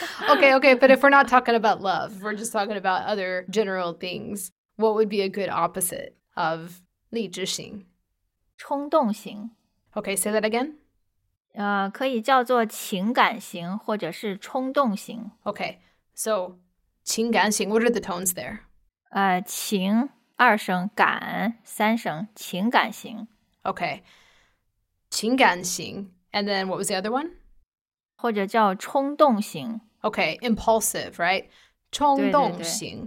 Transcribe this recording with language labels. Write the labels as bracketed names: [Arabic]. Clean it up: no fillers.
[English] Okay, okay, but if we're not talking about love, if we're just talking about other general things, what would be a good opposite of 理智型? [Chinese] 冲动型. [English] Okay, say that again. [Chinese] 可以叫做情感型或者是冲动型. [English] Okay, so 情感型, what are the tones there? [Chinese] 情, 二声, 感, 三声, 情感型. [English] Okay, 情感型, and then what was the other one? [Chinese] 或者叫冲动型. [English] Okay, impulsive, right? 冲动型.